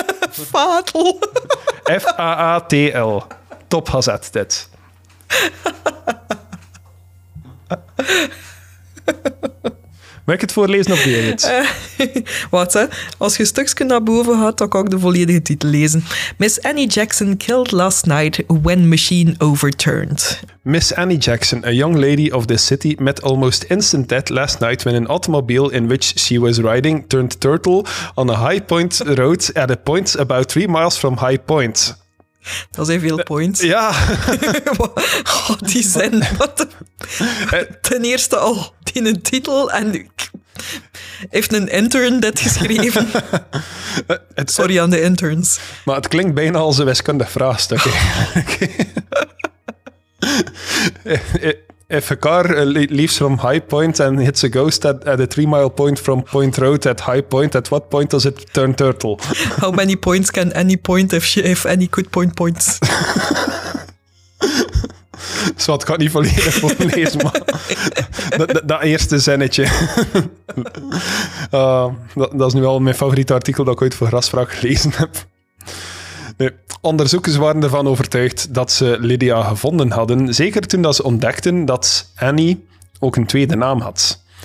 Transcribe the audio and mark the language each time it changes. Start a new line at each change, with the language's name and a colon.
English: Fatal.
Dutch: F-A-A-T-L. Top hazard, dit. Mag ik het voorlezen of deel het? Wat, hè? Als je een stukje naar boven had, dan kan ik de volledige titel lezen.
English: Miss Annie Jackson killed last night when machine overturned. Miss Annie Jackson, a young lady of this city, met almost instant death last night when an automobile in which she was riding turned turtle on a High Point road at a point about 3 miles from High Point.
Dutch: Dat zijn veel points. Ja. Oh, die zin. Ten eerste al die een titel en heeft een intern dit geschreven. Sorry aan de interns. Maar het klinkt bijna als een wiskundig vraagstuk.
English: If a car leaves from High Point and hits a ghost at a 3 mile point from Point Road at High Point, at what point does it turn turtle? How many points can any point if any could point points?
Dutch: Zo, het kan niet volledig voorlezen, maar dat eerste zinnetje. Dat is nu al mijn favoriete artikel dat ik ooit voor Grasvraag gelezen heb. Nee. Onderzoekers waren ervan overtuigd dat ze Lydia gevonden hadden, zeker toen dat ze ontdekten dat Annie ook een tweede naam had.